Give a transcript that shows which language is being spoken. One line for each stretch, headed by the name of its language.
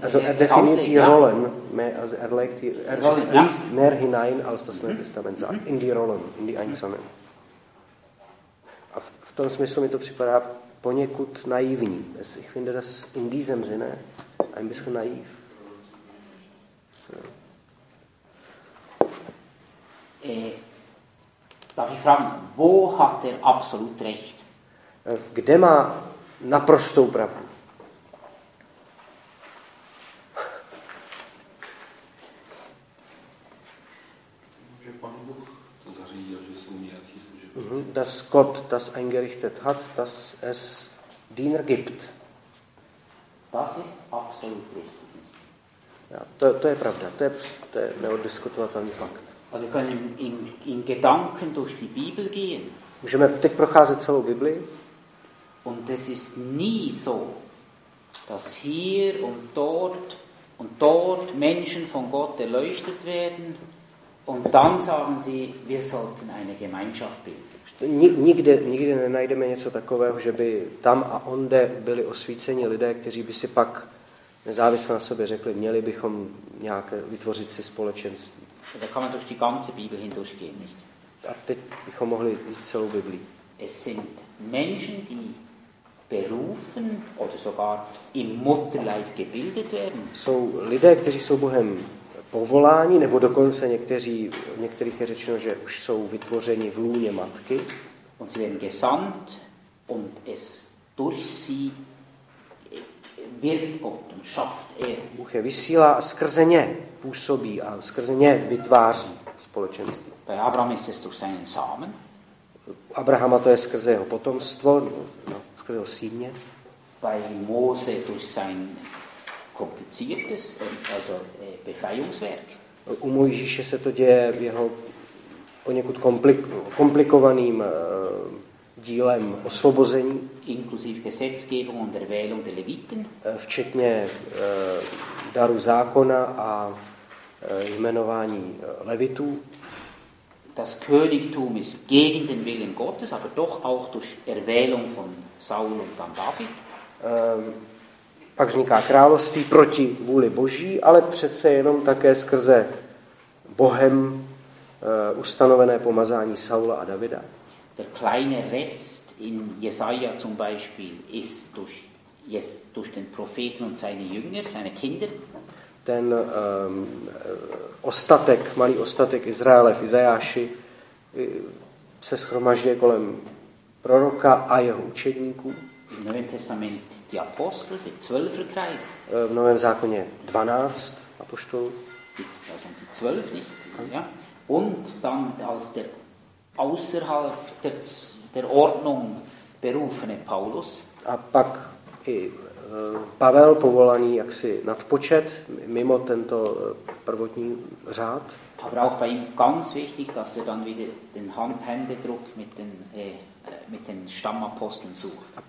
German: Also definiert die Rollen mehr, also legt die liest mehr hinein als das Neue Testament sagt, in die Rollen, in die einzelnen.
Czech: A v tom smyslu mi to připadá poněkud naivní.
German: Ich finde das in diesem Sinne ein bisschen naiv. Darf ich fragen, wo hat er absolut recht?
Czech: Kde má naprostou pravdu?
German: Dass Gott das eingerichtet hat, dass es Diener gibt. Das ist absolut richtig.
Czech: Ja, to je pravda. To je neoddiskutovatelný fakt.
German: Also können in Gedanken durch die Bibel gehen.
Czech: Můžeme teď procházet celou Bibli.
German: Und es ist nie so, dass hier und dort Menschen von Gott erleuchtet werden und dann sagen sie, wir sollten eine Gemeinschaft bilden.
Czech: Nikdy nenajdeme něco takového, že by tam a onde byli osvíceni lidé, kteří by si pak nezávisle na sobě řekli, měli bychom nějaké vytvořit si společenství.
German: Da kann man durch die ganze Bibel hindurchgehen, nicht?
Czech: A teď bychom mohli jít celou Biblii.
German: Es sind Menschen, die berufen oder sogar im Mutterleib gebildet werden.
Czech: Jsou lidé, kteří jsou Bohem povolání, nebo dokonce někteří, některých je řečeno, že už jsou vytvořeni v lůně matky.
German: Und sie werden gesandt und es durch sie wirkt Gott und schafft er.
Czech: Bůh je vysílá a skrze ně působí a skrze ně vytváří společenství.
German: Bei Abraham ist es durch seinen Samen.
Czech: Abrahama to je skrze jeho potomstvo, no, skrze jeho símě.
German: Bei Mose durch sein kompliziertes, also Befreiungswerk.
Czech: U Mojžíše se to děje v jeho poněkud komplikovaným dílem osvobození.
German: Inklusiv Gesetzgebung und Erwählung der Leviten.
Czech: Včetně daru zákona a jmenování Levitů.
German: Das Königtum ist gegen den Willen Gottes, aber doch auch durch Erwählung von Saul und von David.
Czech: Pak vzniká království proti vůli Boží, ale přece jenom také skrze Bohem ustanovené pomazání Saula a Davida.
German: Der kleine Rest in Jesaja zum Beispiel ist durch, ist durch den Propheten und seine Jünger, seine Kinder.
Czech: Ten ostatek, malý ostatek Izraele v Izajáši se shromažďuje kolem proroka a jeho učedníků. V Novém testamentu
German: die Apostel, der Zwölferkreis.
Czech: V Novém zákoně 12 apoštolů.
German: Die Zwölf, nicht? Ja. Und dann als der außerhalb der Ordnung berufene Paulus.
Czech: A pak i Pavel povolaný jaksi nadpočet mimo tento prvotní řád.
German: Aber auch bei ihm ganz wichtig, dass er dann wieder den Händedruck mit den Stammaposteln sucht.